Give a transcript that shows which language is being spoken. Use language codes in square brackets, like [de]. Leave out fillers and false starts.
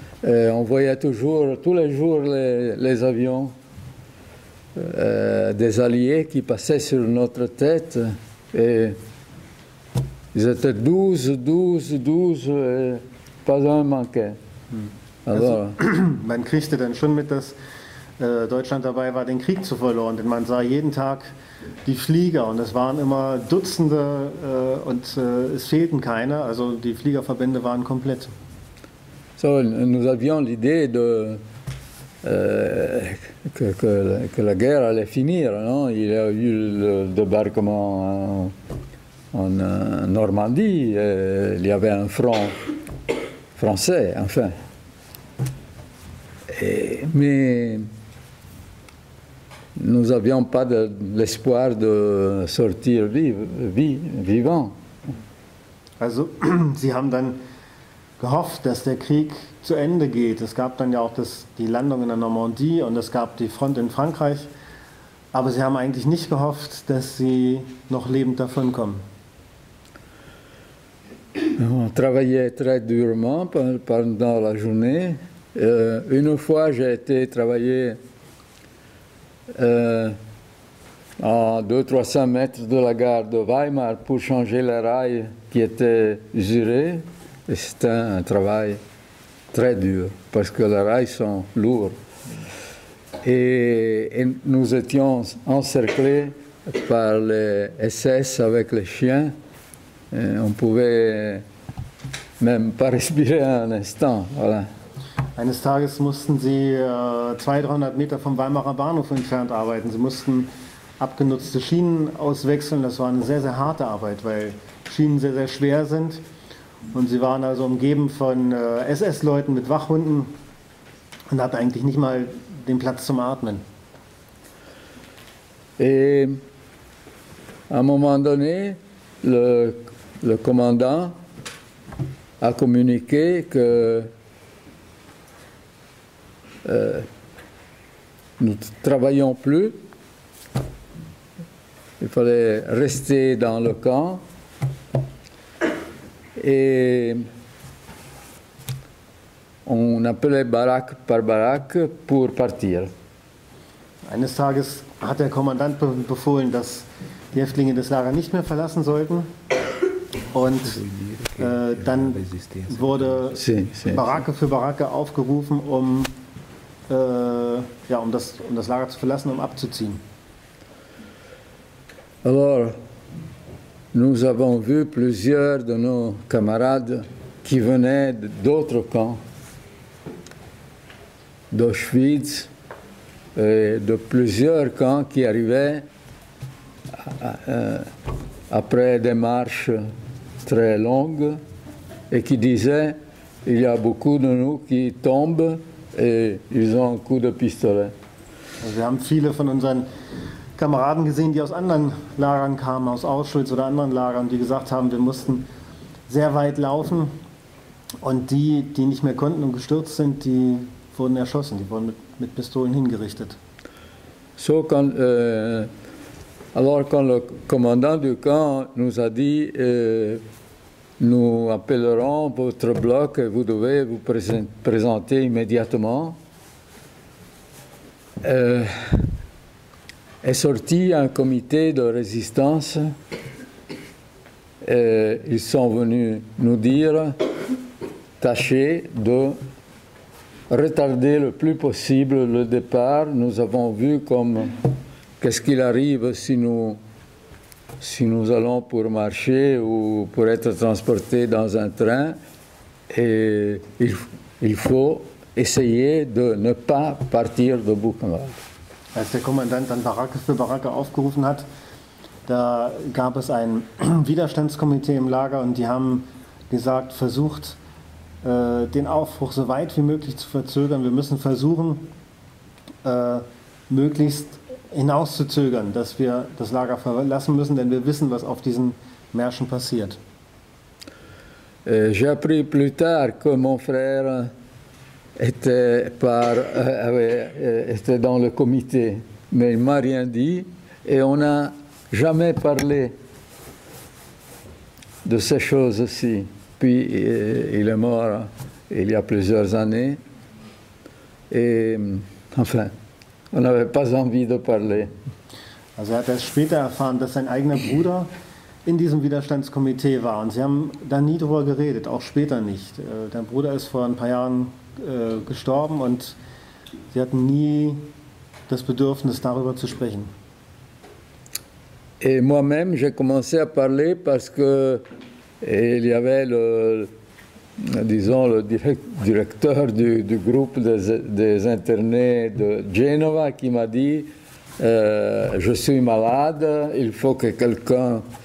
[fr] Et on voyait toujours, tous les jours, les avions des Alliés qui passaient sur notre tête. Et ils étaient 12, et pas un manquait. [de] Alors, man kriegte dann schon mit, dass Deutschland dabei war, den Krieg zu verloren. Denn man sah jeden Tag die Flieger und es waren immer Dutzende und es fehlten keine. Also die Fliegerverbände waren komplett. [fr] So, nous avions l'idée de que la guerre allait finir, non? Il y a eu le débarquement en Normandie, et il y avait un front français, enfin. Et, mais nous n'avions pas l'espoir de sortir vivant. [de] Also, Sie haben dann gehofft, dass der Krieg zu Ende geht. Es gab dann ja auch die Landung in der Normandie und es gab die Front in Frankreich. Aber Sie haben eigentlich nicht gehofft, dass Sie noch lebend davon kommen. [fr] On travaillait très durement pendant la journée. Une fois, j'ai été travailler à 200-300 mètres de la gare de Weimar pour changer les rails qui étaient usurés. Et c'était un travail très dur parce que les rails sont lourds. Et nous étions encerclés par les SS avec les chiens. Et on pouvait même pas respirer un instant. Voilà. [de] Eines Tages mussten Sie 200-300 Meter vom Weimarer Bahnhof entfernt arbeiten. Sie mussten abgenutzte Schienen auswechseln. Das war eine sehr, sehr harte Arbeit, weil Schienen sehr, sehr schwer sind. Und Sie waren also umgeben von SS-Leuten mit Wachhunden und hatten eigentlich nicht mal den Platz zum Atmen. [fr] Et à un moment donné, le commandant a communiqué que nous ne travaillons plus. Il fallait rester dans le camp. Et on appelait baraque par baraque pour partir. [de] Eines Tages hat der Kommandant befohlen, dass die Häftlinge das Lager nicht mehr verlassen sollten. Und dann wurde Baracke für Baracke aufgerufen, um das Lager zu verlassen, um abzuziehen. [fr] Alors, nous avons vu plusieurs de nos camarades qui venaient d'autres camps, d'Auschwitz, et de plusieurs camps qui arrivaient après des marches très longues et qui disaient, il y a beaucoup de nous qui tombent et ils ont un coup de pistolet. [de] Wir haben viele von unseren Kameraden gesehen, die aus anderen Lagern kamen, aus Auschwitz oder anderen Lagern, die gesagt haben, wir mussten sehr weit laufen und die nicht mehr konnten und gestürzt sind, die wurden erschossen, die wurden mit Pistolen hingerichtet. So kann, [fr] alors quand le commandant du camp nous a dit, nous appellerons votre bloc et vous devez vous présenter immédiatement. Est sorti un comité de résistance et ils sont venus nous dire tâchez de retarder le plus possible le départ. Nous avons vu comme qu'est-ce qu'il arrive si nous allons pour marcher ou pour être transportés dans un train et il faut essayer de ne pas partir de Buchenwald. [de] Als der Kommandant dann Baracke für Baracke aufgerufen hat, da gab es ein Widerstandskomitee im Lager und die haben gesagt, versucht, den Aufbruch so weit wie möglich zu verzögern. Wir müssen versuchen, möglichst hinauszuzögern, dass wir das Lager verlassen müssen, denn wir wissen, was auf diesen Märschen passiert. [fr] J'ai appris plus tard que mon frère était dans le comité, mais il m'a rien dit et on n'a jamais parlé de ces choses-ci. Puis il est mort il y a plusieurs années et enfin, on n'avait pas envie de parler. [de] Also er hat erst später erfahren, dass sein eigener Bruder in diesem Widerstandskomitee war und sie haben da nie drüber geredet, auch später nicht. Dein Bruder ist vor ein paar Jahren gestorben und sie hatten nie das Bedürfnis, darüber zu sprechen. [fr] Et moi-même, j'ai commencé à parler parce que il y avait le, disons, le directeur du groupe des internés de Genova qui m'a dit je suis malade, il faut que quelqu'un